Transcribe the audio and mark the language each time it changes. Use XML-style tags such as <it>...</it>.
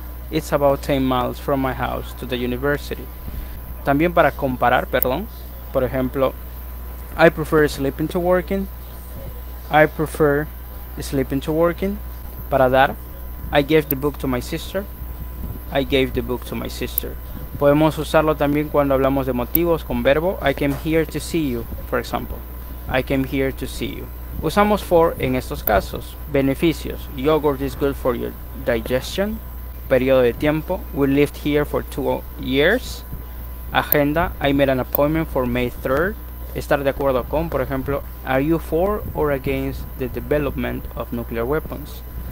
<en>It's about 10 miles from my house to the university.</en> <es>También para comparar, perdón, por ejemplo,</es> <en>I prefer sleeping to working. I prefer sleeping to working.</en> <es>Para dar,</es> <en>I gave the book to my sister. I gave the book to my sister.</en> <es>Podemos usarlo también cuando hablamos de motivos con verbo.</es> <en>I came here to see you, for example. I came here to see you.</en> <es>Usamos for en estos casos. Beneficios.</es> <en>Yogurt is good for your digestion.</en> <es>Periodo de tiempo.</es> <en>We lived here for 2 years.</en> <es>Agenda.</es> <en>I made an appointment for May 3rd.</en> <es>Estar de acuerdo con, por ejemplo,</es> <en>are you for or against the development of nuclear weapons?</en>